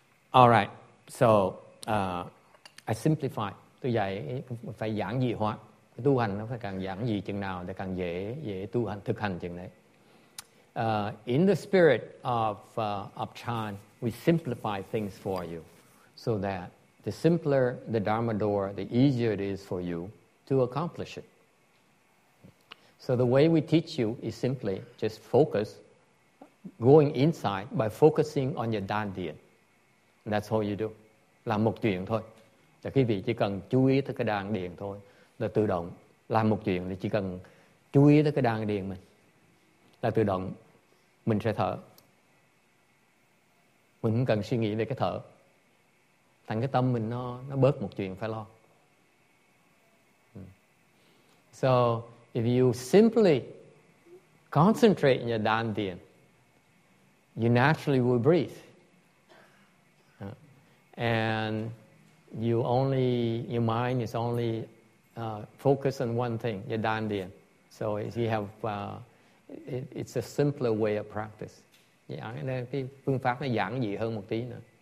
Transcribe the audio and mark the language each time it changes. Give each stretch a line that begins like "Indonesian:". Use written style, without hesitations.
English: All right, so I simplify.
Vietnamese: Tôi dạy phải giản dị hóa. Cái tu hành nó phải càng giản dị chừng nào thì càng dễ tu hành thực hành chừng đấy.
English: In the spirit of Chan, we simplify things for you so that the simpler the Dharma door, the easier it is for you to accomplish it. So the way we teach you is simply just focus, going inside by focusing on your Dan Dien. That's all you do.
Vietnamese: Làm một chuyện thôi. Thì quý vị chỉ cần chú ý tới cái Dan Dien thôi. Là tự động. Làm một chuyện thì chỉ cần chú ý tới cái Dan Dien mình. Là tự động. Mình sẽ thở. Mình không cần suy nghĩ về cái thở. Thành cái tâm mình nó bớt một chuyện phải lo.
English: So, if you simply concentrate in your Dan Dien, you naturally will breathe. And your mind is only focused on one thing, your Dan Dien. So, it's a simpler way of practice. Yeah, and
Vietnamese: cái phương pháp nó giản dị hơn một tí nữa.